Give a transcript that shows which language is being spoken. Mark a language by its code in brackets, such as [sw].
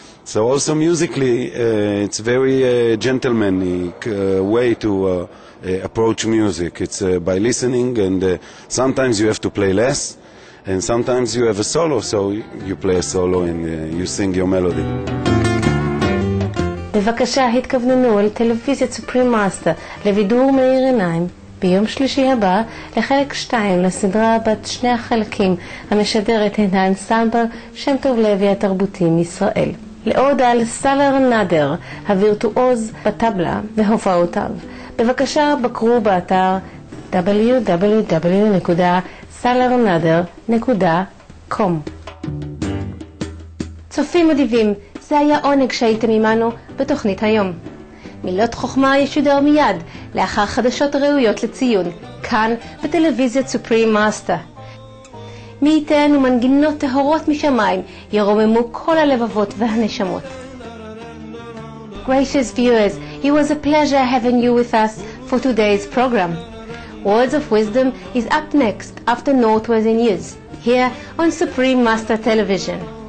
[en] So also musically, it's very gentlemanly way to approach music. It's by listening, and sometimes you have to play less, and sometimes you have a solo, so you play a solo and you sing your melody. [he] בבקשה, התכווננו אל טלוויזיה סופרים מאסטר לבידור מאיר עיניים ביום שלישי הבא לחלק 2 לסדרה בת שני החלקים המשדרת את האנסמבל שם טוב לוי התרבותי מישראל. לעוד על סלר נדר, הווירטואוז בטבלה והופעותיו, בבקשה בקרו באתר www.salernader.com. צופים מדהימים, זה היה עונג שהייתם עמנו בתוכנית היום. מילות חוכמה ישודר מיד לאחר חדשות ראויות לציון כאן בטלוויזיה סופרים מאסטר. מי ייתן ומנגינות טהורות משמיים ירוממו כל הלבבות והנשמות. [en] Gracious viewers, it was a pleasure having you with us for today's program. Words of Wisdom is up next after Noteworthy News here on Supreme Master Television.